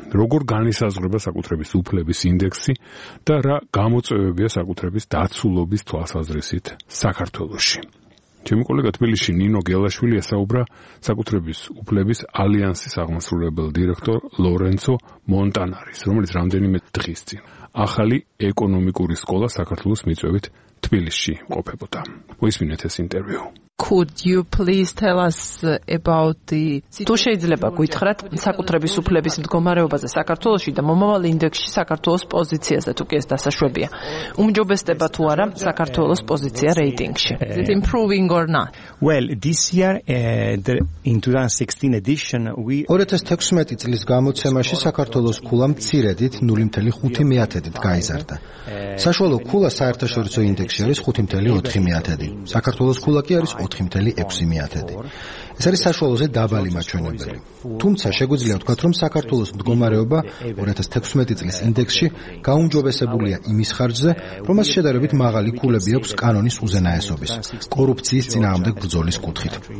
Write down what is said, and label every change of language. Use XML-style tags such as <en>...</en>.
<ka>როგორ განისაზღვრება საკუთრების უფლების ინდექსი და რა გამოწვევებია საკუთრების დაცულობის თვალსაზრისით საქართველოში? ჩემი კოლეგა თბილისში ნინო გელაშვილი ესაუბრა საკუთრების უფლების ალიანსის აღმასრულებელ დირექტორ ლორენცო მონტანარის, რომელიც რამდენიმე დღის წინ ახალი ეკონომიკური სკოლა საქართველოს მიწვევით თბილისში ყოფებოდა. მოისმინეთ ეს ინტერვიუ.</ka> <en>Could you please tell us about the</en> <ka>თუ შეიძლება გითხრათ საკუთრების უფლების მდგომარეობაზე საქართველოში და მომავალ ინდექსში საქართველოს პოზიციაზე, თუ კი ეს დასაშვებია. უმჯობესდება თუ არა საქართველოს პოზიცია რეიტინგში?</ka> <en>Is it improving or not? Well, this year in 2016 edition we</en> <ka>2016 წლის გამოცემაში საქართველოს ქულა მცირედით 0.5%-ით გაიზარდა. საშუალო ქულა საერთაშორისო ინდექსში არის 5.4%. საქართველოს ქულა კი 4.6%. ეს არის საშუალოზე დაბალი მაჩვენებელი. თუმცა შეგვიძლია ვთქვათ, რომ საქართველოს მდგომარეობა 2016 წლის ინდექსში გაუმჯობესებულია იმის ხარჯზე, რომ მას შედარებით მაღალი ქულები აქვს კანონის უზენაესობის, კორუფციის წინააღმდეგ ბრძოლის კუთხით.</ka>